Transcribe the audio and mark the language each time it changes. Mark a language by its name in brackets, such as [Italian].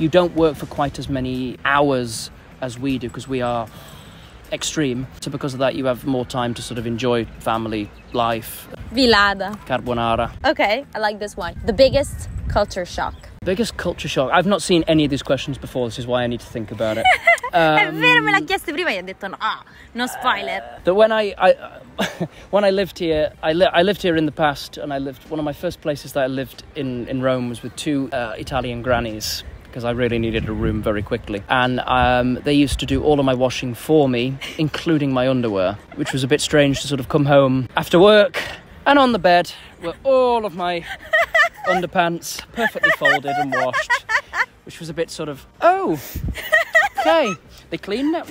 [English] You don't work for quite as many hours as we do because we are extreme. So because of that, you have more time to sort of enjoy family life. Vilada. [Italian] Carbonara. [English] Okay, I like this one. The biggest culture shock. Biggest culture shock. I've not seen any of these questions before. This is why I need to think about it. [Italian] È vero, me l'ha chiesto prima e ha detto no spoiler. [English] But when I lived here, I lived here in the past, and I lived, one of my first places that I lived in Rome was with two Italian grannies, because I really needed a room very quickly. And they used to do all of my washing for me, including my underwear, which was a bit strange to sort of come home after work, and on the bed were all of my underpants perfectly folded and washed, which was a bit sort of, oh, okay, they cleaned up.